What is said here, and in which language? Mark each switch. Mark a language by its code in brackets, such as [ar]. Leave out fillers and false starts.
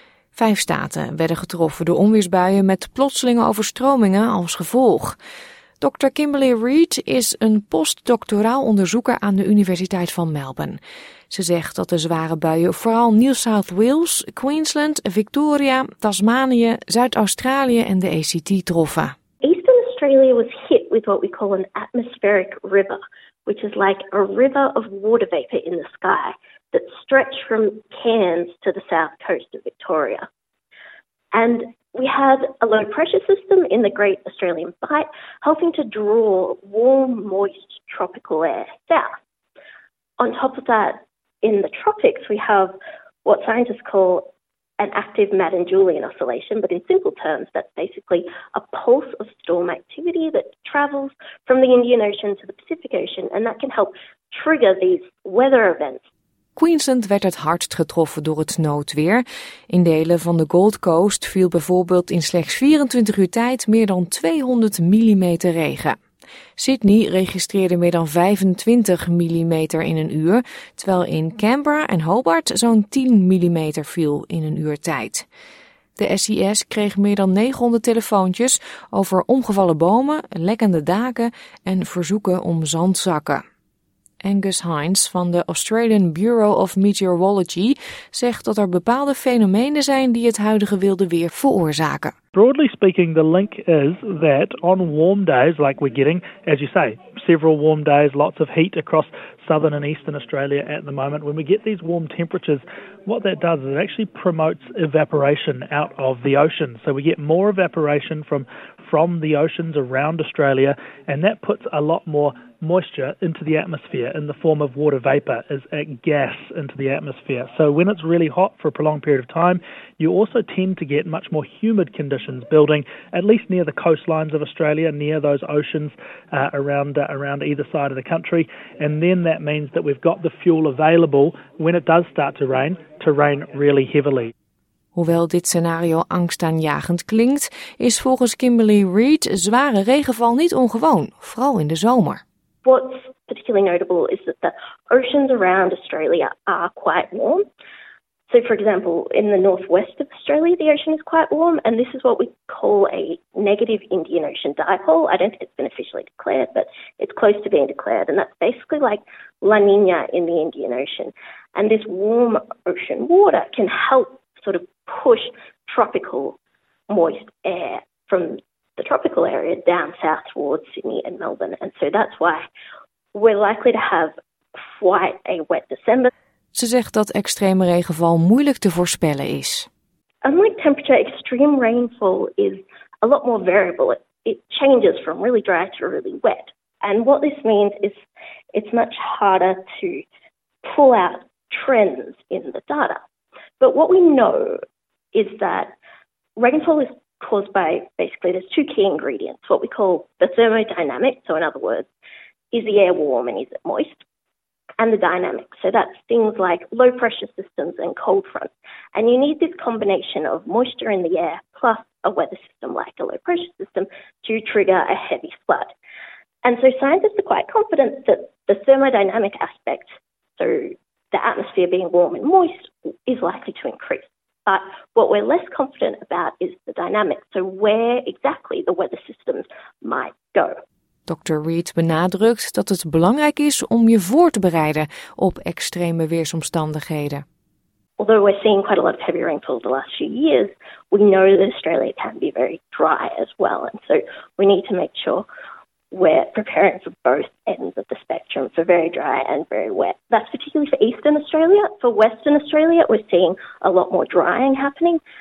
[nl] 5 staten werden getroffen door onweersbuien met plotselinge overstromingen als gevolg. Dr. Kimberly Reed is een postdoctoraal onderzoeker aan de Universiteit van Melbourne. Ze zegt dat de zware buien vooral New South Wales, Queensland, Victoria, Tasmanië, Zuid-Australië en de ACT troffen. [en] Eastern Australia was hit with what we call an atmospheric river, which is like a river of water vapor in the sky that stretched from Cairns to the south coast of Victoria. And we had a low pressure system in the Great Australian Bight, helping to draw warm, moist tropical air south. On top of that, in the tropics, we have what scientists call an active Madden-Julian oscillation, but in simple terms, that's basically a pulse of storm activity that travels from the Indian Ocean to the Pacific Ocean, and that can help trigger these weather events. [nl] Queensland werd het hardst getroffen door het noodweer. In delen van de Gold Coast viel bijvoorbeeld in slechts 24 uur tijd meer dan 200 mm regen. Sydney registreerde meer dan 25 mm in een uur, terwijl in Canberra en Hobart zo'n 10 mm viel in een uur tijd. De SES kreeg meer dan 900 telefoontjes over omgevallen bomen, lekkende daken en verzoeken om zandzakken. Angus Hines van de Australian Bureau of Meteorology zegt dat er bepaalde fenomenen zijn die het huidige wilde weer veroorzaken. [en] Broadly speaking, the link is that on warm days like we're getting, as you say, several warm days, lots of heat across southern and eastern Australia at the moment. When we get these warm temperatures, what that does is it actually promotes evaporation out of the ocean. So we get more evaporation from the oceans around Australia, and that puts a lot more moisture into the atmosphere in the form of water vapor as a gas into the atmosphere. So when it's really hot for a prolonged period of time, you also tend to get much more humid conditions building, at least near the coastlines of Australia, near those oceans around either side of the country. And then that means that we've got the fuel available when it does start to rain really heavily. [nl] Hoewel dit scenario angstaanjagend klinkt, is volgens Kimberly Reed zware regenval niet ongewoon, vooral in de zomer. [en] What's particularly notable is that the oceans around Australia are quite warm. So, for example, in the northwest of Australia, the ocean is quite warm, and this is what we call a negative Indian Ocean dipole. I don't think it's been officially declared, but it's close to being declared, and that's basically like La Niña in the Indian Ocean. And this warm ocean water can help sort of push tropical moist air from the tropical area down south towards Sydney and Melbourne. And so that's why we're likely to have quite a wet December. [nl] Ze zegt dat extreme regenval moeilijk te voorspellen is. [en] Unlike temperature, extreme rainfall is a lot more variable. It changes from really dry to really wet. And what this means is it's much harder to pull out trends in the data. But what we know is that rainfall is caused by, basically, there's two key ingredients, what we call the thermodynamic, so in other words, is the air warm and is it moist? And the dynamics. So that's things like low pressure systems and cold fronts. And you need this combination of moisture in the air plus a weather system like a low pressure system to trigger a heavy flood. And so scientists are quite confident that the thermodynamic aspect, so the atmosphere being warm and moist, is likely to increase. But what we're less confident about is the dynamics, so where exactly the weather systems might go. [nl] Dr. Reed benadrukt dat het belangrijk is om je voor te bereiden op extreme weersomstandigheden. [en] Although we're seeing quite a lot of heavy rainfall the last few years, we know that Australia can be very dry as well. And so we need to make sure we're preparing for both ends of the spectrum, for very dry and very wet. That's particularly for eastern Australia. For western Australia, we're seeing a lot more drying happening.